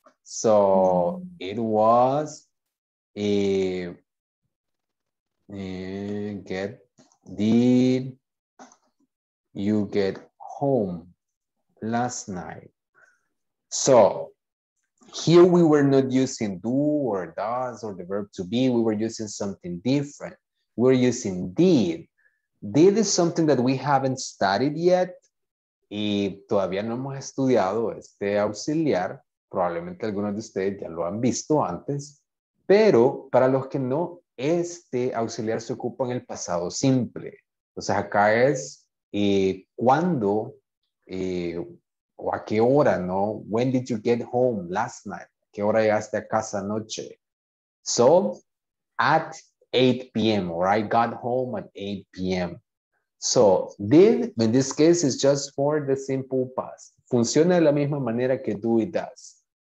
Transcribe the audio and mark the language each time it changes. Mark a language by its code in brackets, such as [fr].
[en] So it was did you get home last night? So here we were not using do or does or the verb to be. We were using something different. We're using did. Did is something that we haven't studied yet. [es] Y todavía no hemos estudiado este auxiliar. Probablemente algunos de ustedes ya lo han visto antes, pero para los que no, este auxiliar se ocupa en el pasado simple. Entonces acá es cuándo o a qué hora, ¿no? [en] When did you get home last night? [es] ¿Qué hora llegaste a casa anoche? [en] So, at 8 p.m. or I got home at 8 p.m. So, did, in this case, is just for the simple past. [es] Funciona de la misma manera que do y does.